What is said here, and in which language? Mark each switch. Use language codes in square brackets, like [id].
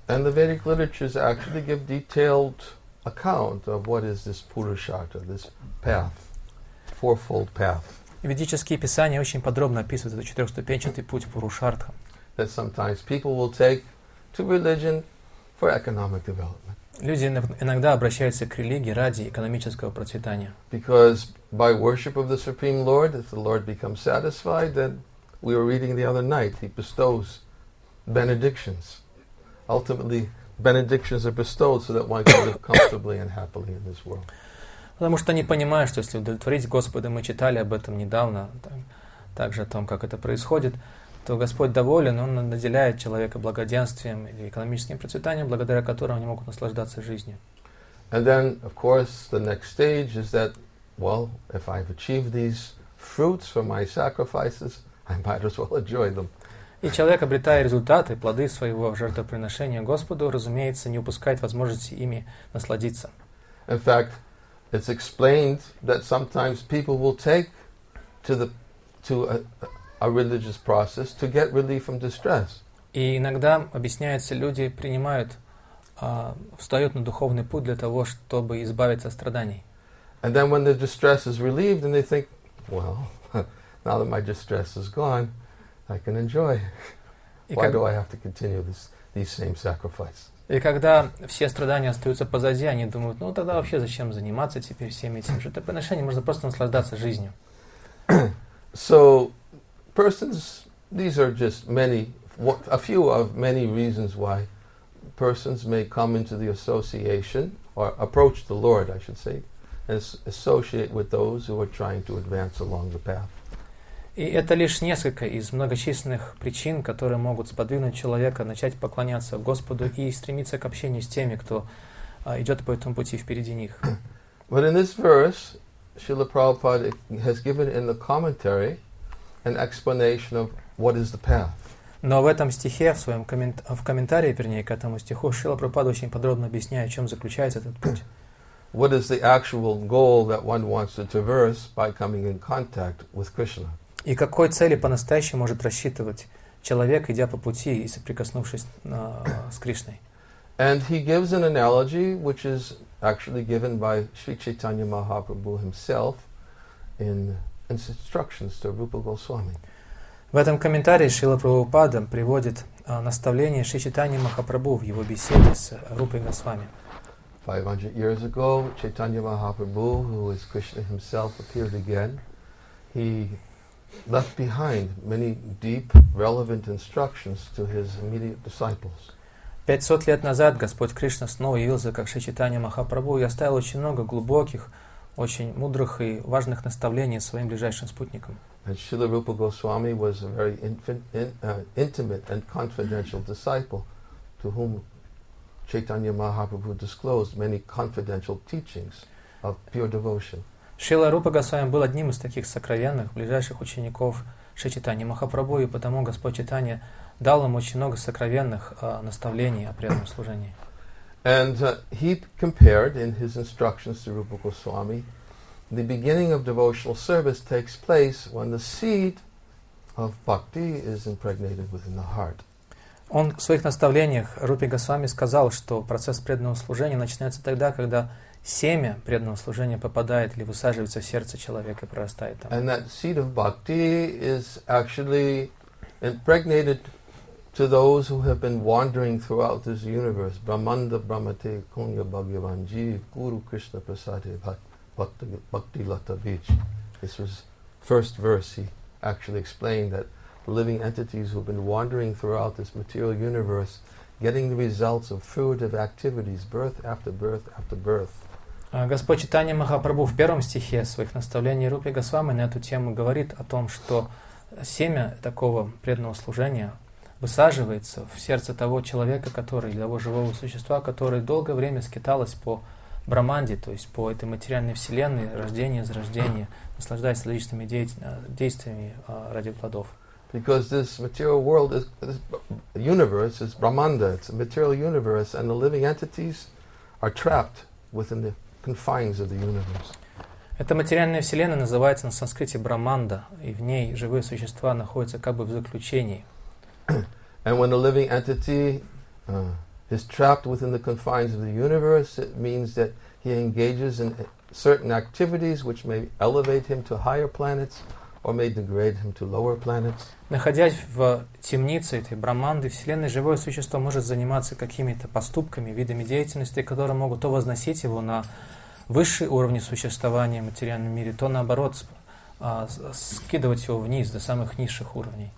[en] And the Vedic literatures actually give detailed account of what is this Purushartha, this path, fourfold path. [ru] ведические писания очень подробно описывают этот четырехступенчатый путь Пурушартха. [en] That sometimes people will take to religion for economic development. [ru] Люди иногда обращаются к религии ради экономического процветания. [en] Because by worship of the Supreme Lord, if the Lord becomes satisfied, then we were reading the other night, he bestows benedictions. Ultimately, benedictions are bestowed so that one can live comfortably and happily in this world. [ru] Потому что они понимают, что если удовлетворить Господа, мы читали об этом недавно, так, также о том, как это происходит, то Господь доволен, Он наделяет человека благоденствием или экономическим процветанием, благодаря которому они могут наслаждаться жизнью. [en] And then, of course, the next stage is that, well, if I've achieved these fruits for my sacrifices, I might as well enjoy them. [ru] И человек, обретая результаты, плоды своего жертвоприношения Господу, разумеется, не упускает возможности ими насладиться. [en] In fact, it's explained that sometimes people will take to a religious process to get relief from distress. [ru] И иногда объясняется, люди принимают, встают на духовный путь для того, чтобы избавиться от страданий. [en] And then when the distress is relieved, and they think, well, now that my distress is gone, I can enjoy. Why do I have to continue these same sacrifices? [ru] И когда все страдания остаются позади, они думают, ну тогда вообще зачем заниматься теперь всеми этим жертвоприношением, можно просто наслаждаться жизнью. [en] So, persons, these are just many, a few of many reasons why persons may come into the association, or approach the Lord, I should say, and associate with those who are trying to advance along the path. [ru] И это лишь несколько из многочисленных причин, которые могут сподвигнуть человека начать поклоняться Господу и стремиться к общению с теми, кто идет по этому пути впереди них. [en] But in this verse, Srila Prabhupada has given in the commentary an explanation of what is the path. [ru] Но в этом стихе, в своем комментарии, вернее, к этому стиху, Шрила Прабхупада очень подробно объясняет, в чем заключается этот путь. [en] What is the actual goal that one wants to traverse by coming in contact with Krishna? [ru] И какой цели по-настоящему может рассчитывать человек, идя по пути и соприкоснувшись с Кришной? [en] And he gives an analogy, which is actually given by Sri Chaitanya Mahaprabhu himself in instructions to Rupa Goswami. [ru] В этом комментарии Шрила Прабхупада приводит наставление Шри Чайтаньи Махапрабху в его беседе с Рупой Госвами. [en] 500 years ago, Chaitanya Mahaprabhu, who is Krishna himself, appeared again. He left behind many deep, relevant instructions to his immediate disciples. [ru] 500 лет назад Господь Кришна снова явился как Шри Чайтанья Махапрабху и оставил очень много глубоких, очень мудрых и важных наставлений своим ближайшим спутникам. [en] And Srila Rupa Goswami was a very intimate and confidential disciple to whom Chaitanya Mahaprabhu disclosed many confidential teachings of pure devotion. [ru] Шрила Рупа Госвами был одним из таких сокровенных, ближайших учеников Шри Чайтаньи Махапрабху, и потому Господь Чайтанья дал им очень много сокровенных наставлений о преданном служении. [en] And he compared in his instructions to Rupa Goswami, the beginning of devotional service takes place when the seed of bhakti is impregnated within the heart. [ru] Он в своих наставлениях Рупе Госвами сказал, что процесс преданного служения начинается тогда, когда семя преданного служения попадает или высаживается в сердце человека и прорастает там. [en] And that seed of bhakti is actually impregnated to those who have been wandering throughout this universe. [sa] Brahmanda, Brahmate, Kunya, Bhagyavan, Jeev, Guru, Krishna, Prasade, Bhakti, Lata, Beach. [en] This was first verse he actually explained that living entities who have been wandering throughout this material universe, getting the results of fruitive activities, birth after birth after birth. [ru] Господь Чайтанья Махапрабху в первом стихе своих наставлений Рупе Госвами на эту тему говорит о том, что семя такого преданного служения высаживается в сердце того человека, который, или того живого существа, который долгое время скиталось по Брахманде, то есть по этой материальной вселенной, рождение, зарождение, наслаждаясь различными действиями ради плодов. [en] Because this material world is this universe is Brahmanda, it's a material universe, and the living entities are trapped within the confines of the universe. [ru] Эта материальная вселенная называется на санскрите Брахманда, и в ней живые существа находятся как бы в заключении. [en] And when a living entity is trapped within the confines of the universe, it means that he engages in certain activities which may elevate him to higher planets, or may degrade him to lower planets. [ru] Находясь в темнице этой Браманды, вселенной, живое существо может заниматься какими-то поступками, видами деятельности, которые могут то возносить его на высшие уровни существования в материальном мире, то наоборот скидывать его вниз до самых низших уровней.